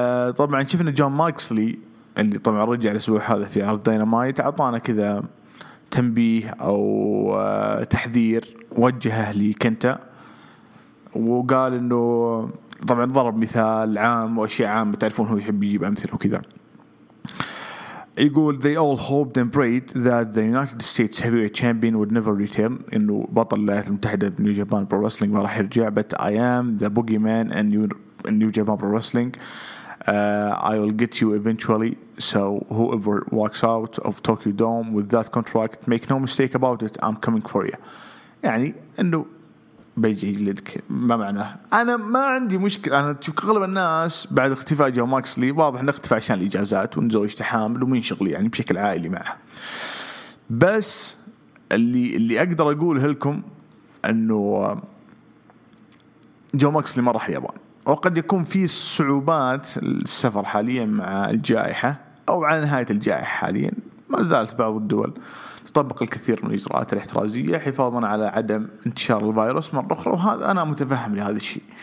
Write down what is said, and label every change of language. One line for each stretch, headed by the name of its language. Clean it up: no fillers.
Arabic: طبعا شفنا جون ماكسلي اللي طبعا رجع الأسبوع هذا في عرض دينامايت، أعطانا كذا تنبيه أو تحذير وجهه لكنتا وقال أنه طبعا ضرب مثال عام وأشياء عام تعرفون هو يحب يجيب أمثلة وكذا.
English: يقول they all hoped and prayed that the United States heavyweight champion would never return،
Arabic: إنه بطل الولايات المتحدة في نيو جابان برو رسلينج ما راح يرجع.
English: but I am the boogeyman in New Japan Pro Wrestling, I will get you eventually. So whoever walks out of Tokyo Dome with that contract, make no mistake about it, I'm coming for you.
Arabic: يعني إنه بيجي لك، ما معنى أنا ما عندي مشكلة. أنا تشوف أغلب الناس بعد اختفاء جون ماكسلي واضح إنه اختفى عشان الإجازات ونزوج تحامل ومين شغلي يعني بشكل عائلي معه. بس اللي أقدر أقوله لكم إنه جون ماكسلي ما راح يابان، وقد يكون في صعوبات السفر حاليا مع الجائحة أو على نهاية الجائحة حاليا، ما زالت بعض الدول تطبق الكثير من الإجراءات الاحترازية حفاظا على عدم انتشار الفيروس مرة أخرى، وهذا أنا متفهم لهذا الشيء.